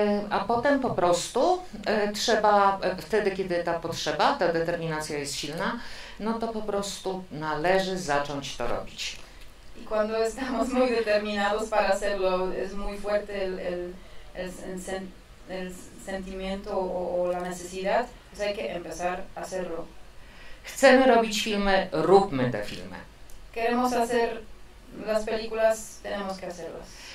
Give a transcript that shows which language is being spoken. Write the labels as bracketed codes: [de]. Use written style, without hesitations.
[pl] A potem po prostu trzeba, wtedy kiedy ta potrzeba, ta determinacja jest silna, no to po prostu należy zacząć to robić. [es] Y cuando estamos muy determinados para hacerlo, es muy fuerte el sentimiento o la necesidad, pues hay que empezar a hacerlo. [pl] Chcemy robić filmy, róbmy te filmy. [es] Queremos hacer las películas, tenemos que hacerlas.